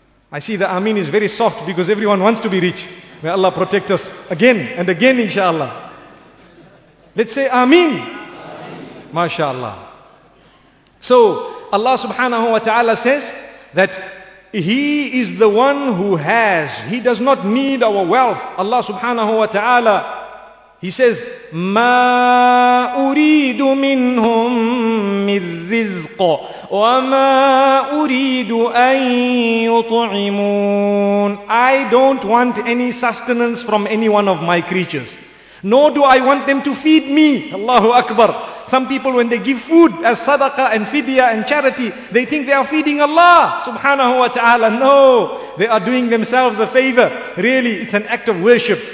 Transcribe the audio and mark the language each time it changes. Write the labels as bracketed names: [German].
[English] I see the Ameen is very soft because everyone wants to be rich. May Allah protect us again and again, inshallah. Let's say Ameen. MashaAllah. So Allah subhanahu wa ta'ala says that He is the one who has. He does not need our wealth. Allah subhanahu wa ta'ala, He says, [Arabic] مَا أُرِيدُ مِنْهُمْ مِنْ رِزْقُ وَمَا أُرِيدُ أَن يُطْعِمُونَ. [English] I don't want any sustenance from any one of my creatures. Nor do I want them to feed me. Allahu Akbar. Some people, when they give food as sadaqah and fidya and charity, they think they are feeding Allah subhanahu wa ta'ala. No, they are doing themselves a favor. Really, it's an act of worship.